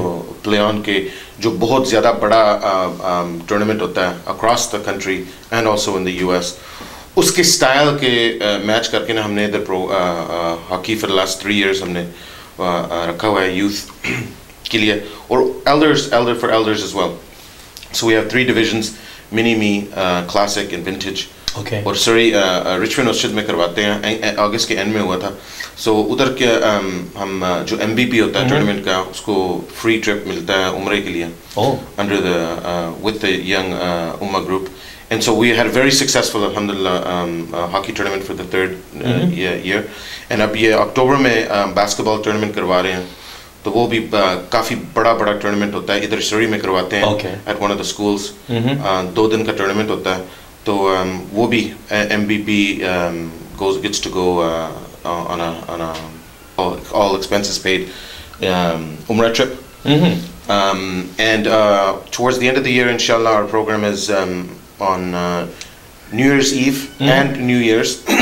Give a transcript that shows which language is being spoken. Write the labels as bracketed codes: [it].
[en] So play on [hi] के जो बहुत ज़्यादा बड़ा [en] tournament [hi] होता है [en] across the country and also in the US [hi] उसके [en] style के match [hi] करके ना हमने इधर [en] pro hockey for the last 3 years [hi] हमने रखा हुआ है [en] youth [hi] के लिए [en] और elder for elders as well so we have 3 divisions mini me classic and vintage okay [hi] और [en] sorry [hi] Richmond Osjid में करवाते हैं August के end में हुआ था so उधर के हम जो MVP होता है tournament का उसको [en] free trip [hi] मिलता है उम्रे के लिए oh [en] under the with the young Ummah group and so we had a very successful alhamdulillah hockey tournament for the third year and [hi] अब ये [en] October में basketball tournament [hi] करवा रहे हैं तो वो भी काफी बड़ा बड़ा टूर्नामेंट होता है, इधर शरी में करवाते हैं [en] at one of the schools, [hi] दो दिन का टूर्नामेंट होता है, तो वो भी MBP [en] Goes gets to go on a all expenses paid उमरा trip. And towards the end of the year, inshallah, our program is on New Year's Eve and New Year's.